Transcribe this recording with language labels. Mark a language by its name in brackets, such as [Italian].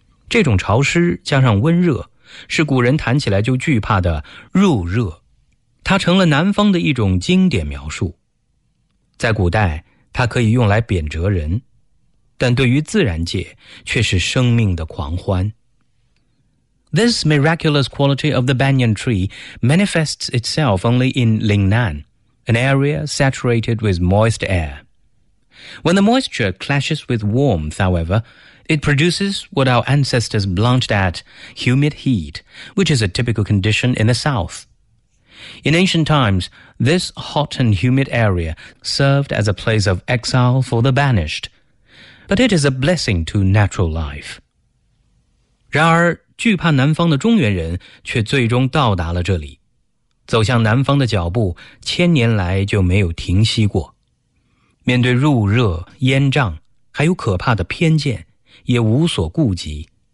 [Chinese] 这种潮湿加上温热，是古人谈起来就惧怕的入热。它成了南方的一种经典描述。在古代，它可以用来贬谪人，但对于自然界，却是生命的狂欢。 [English] This miraculous quality of the banyan tree manifests itself only in Lingnan, an area saturated with moist air. When the moisture clashes with warmth, however, it produces what our ancestors blanched at, humid heat, which is a typical condition in the south. In ancient times, this hot and humid area served as a place of exile for the banished. But it is a blessing to natural life. [Chinese] 然而惧怕南方的中原人却最终到达了这里。走向南方的脚步千年来就没有停息过。面对入热、烟瘴，还有可怕的偏见，也无所顾及。